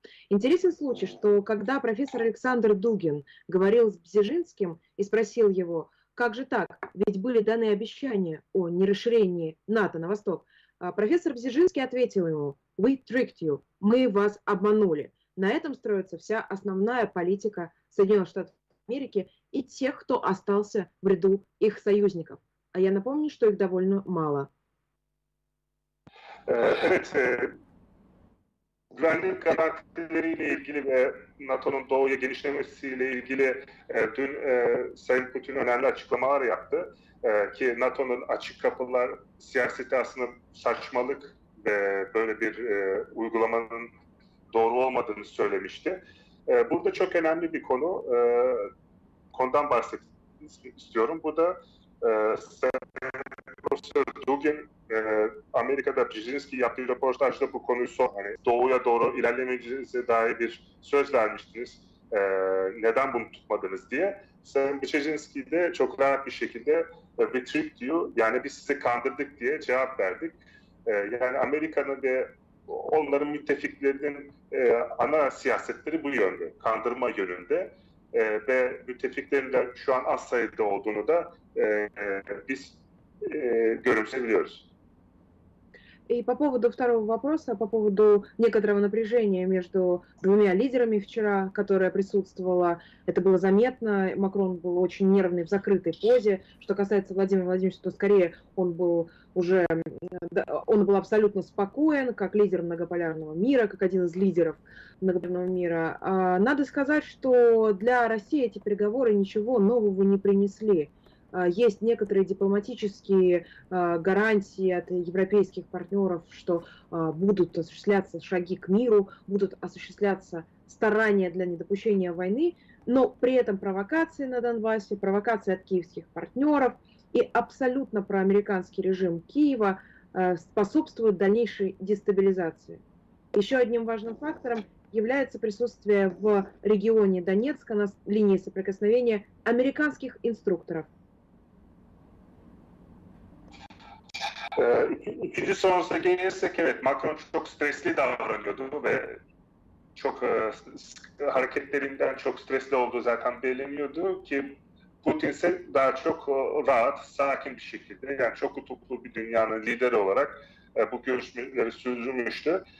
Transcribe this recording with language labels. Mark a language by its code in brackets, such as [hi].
[ru] Интересен случай, что когда профессор Александр Дугин говорил с Бзежинским и спросил его, как же так, ведь были даны обещания о нерасширении НАТО на восток, профессор Бзежинский ответил ему, [en] we tricked you, [ru] мы вас обманули. На этом строится вся основная политика Соединенных Штатов Америки и тех, кто остался в ряду их союзников. А я напомню, что их довольно мало. [tr] Evet, güvenlik garantileriyle ilgili ve NATO'nun doğuya genişlemesiyle ilgili dün Sayın Putin önemli açıklamalar yaptı. Ki NATO'nun açık kapılar siyaseti aslında saçmalık ve böyle bir uygulamanın doğru olmadığını söylemişti. Burada çok önemli bir konu, konudan bahsetmek istiyorum. Bu da Profesör Dugin, Amerika'da Brzezinski yaptığı röportajda bu konuyu sor. Hani doğuya doğru ilerlemeyeceğinize dair bir söz vermiştiniz. Neden bunu tutmadınız diye. Sayın Brzezinski de çok rahat bir şekilde [en] we tricked you, [tr] yani biz sizi kandırdık diye cevap verdik. Yani Amerika'nın ve onların müttefiklerinin ana siyasetleri bu yönde, kandırma yönünde. Ve müttefiklerin de şu an az sayıda olduğunu da biz görümseyebiliyoruz. [ru] И по поводу второго вопроса, по поводу некоторого напряжения между двумя лидерами вчера, которое присутствовало, это было заметно, Макрон был очень нервный в закрытой позе. Что касается Владимира Владимировича, то скорее он был уже, он был абсолютно спокоен, как лидер многополярного мира, как один из лидеров многополярного мира. Надо сказать, что для России эти переговоры ничего нового не принесли. Есть некоторые дипломатические гарантии от европейских партнеров, что будут осуществляться шаги к миру, будут осуществляться старания для недопущения войны, но при этом провокации на Донбассе, провокации от киевских партнеров и абсолютно проамериканский режим Киева способствуют дальнейшей дестабилизации. Еще одним важным фактором является присутствие в регионе Донецка на линии соприкосновения американских инструкторов. [tr] İkinci sorunuza gelirsek, evet, Macron çok stresli davranıyordu ve çok hareketlerinden çok stresli olduğu zaten belirliyordu ki Putin ise daha çok rahat, sakin bir şekilde, yani çok utuklu bir dünyanın lideri olarak bu görüşmeleri sürdürmüştü.